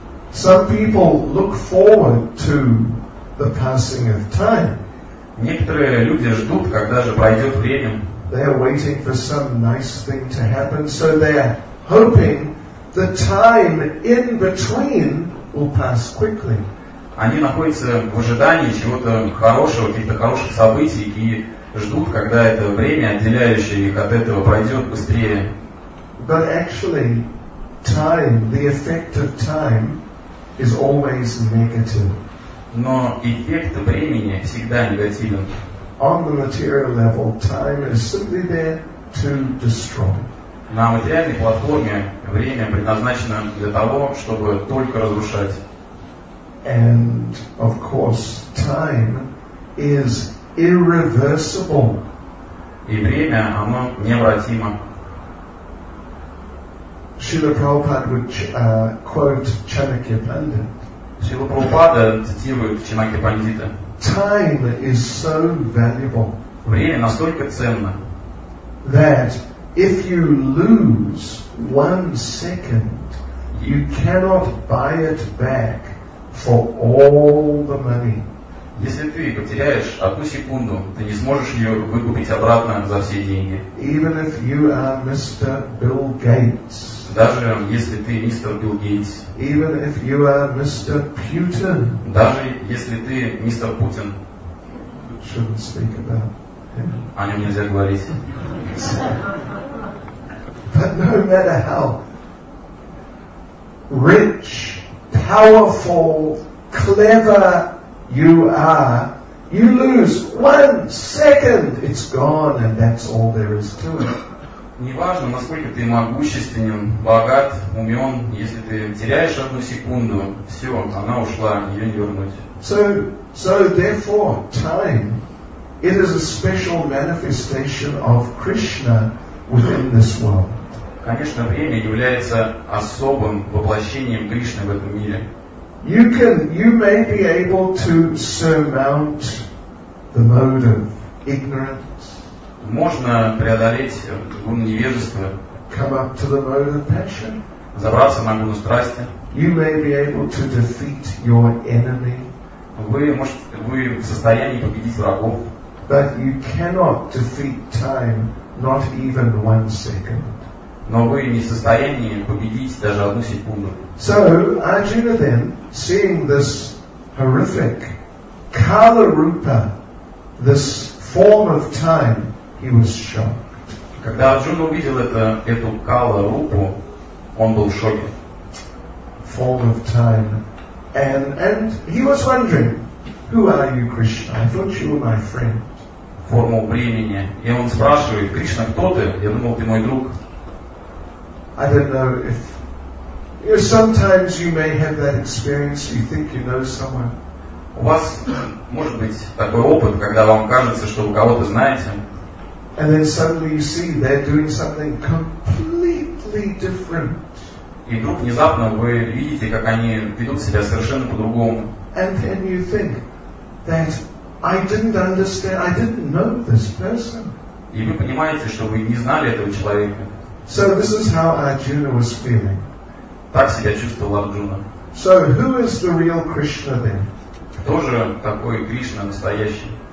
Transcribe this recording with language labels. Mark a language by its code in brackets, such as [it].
[en] Some people look forward to the passing of time. [ru] Некоторые люди ждут, когда же пройдет время. [en] They are waiting for some nice thing to happen, so they are hoping the time in between will pass quickly. [ru] Они находятся в ожидании чего-то хорошего, каких-то хороших событий, и ждут, когда это время, отделяющее их от этого, пройдет быстрее. [en] But actually, time, the effect of time, is always negative. [ru] Но эффект времени всегда негативен. [en] On the material level, time is simply there to destroy. [ru] На материальной платформе время предназначено для того, чтобы только разрушать. [en] And of course, time is irreversible. [ru] И время, оно необратимо. [en] Srila Prabhupada would quote Chanakya Pandit. [ru] Шрила Прабхупада цитирует Чанакья Пандита. [en] Time is so valuable. [ru] Время настолько ценно. [en] That if you lose one second, you cannot buy it back for all the money. [ru] Если ты потеряешь одну секунду, ты не сможешь ее выкупить обратно за все деньги. [en] Even if you are Mr. Bill Gates. [ru] Даже если ты мистер Билл Гейтс. [en] Even if you are Mr. Putin. [ru] Даже если ты мистер Путин. [en] Shouldn't speak about him. [ru] О нем нельзя говорить. [en] But no matter how rich, powerful, clever you are, you lose one second, it's gone, and that's all there is to it. [ru] Неважно, насколько ты могущественен, богат, умен, если ты теряешь одну секунду, все, она ушла, ее не вернуть. [en] So therefore, time, it is a special manifestation of Krishna within this world. [ru] Конечно, время является особым воплощением Кришны в этом мире. [en] You may be able to surmount the mode of ignorance. [ru] Можно преодолеть гуну невежества. [en] Come up to the mode of passion. [ru] Забраться на гуну страсти. [en] You may be able to defeat your enemy. [ru] Вы в состоянии победить врагов. [en] But you cannot defeat time, not even one second. [ru] Но вы не в состоянии победить даже одну секунду. [en] So Arjuna then, seeing this horrific Kala Rupa, this form of time, he was shocked. [ru] Когда Арджуна увидел эту Кала Рупу, он был в шоке. [en] Form of time. And he was wondering, who are you, Krishna? I thought you were my friend. [ru] Форму времени. И он спрашивает, Кришна, кто ты? Я думал, ты мой друг. [en] I don't know if sometimes you may have that experience, you think you know someone. [ru] У вас может быть такой опыт, когда вам кажется, что вы кого-то знаете. [en] And then suddenly you see they're doing something completely different. [ru] И вдруг внезапно вы видите, как они ведут себя совершенно по-другому. [en] And then you think that I didn't understand, I didn't know this person. [ru] И вы понимаете, что вы не знали этого человека. [en] So this is how Arjuna was feeling. [ru] Так себя чувствовал Арджуна. [en] So who is the real Krishna then? [ru] Кто же такой Кришна настоящий?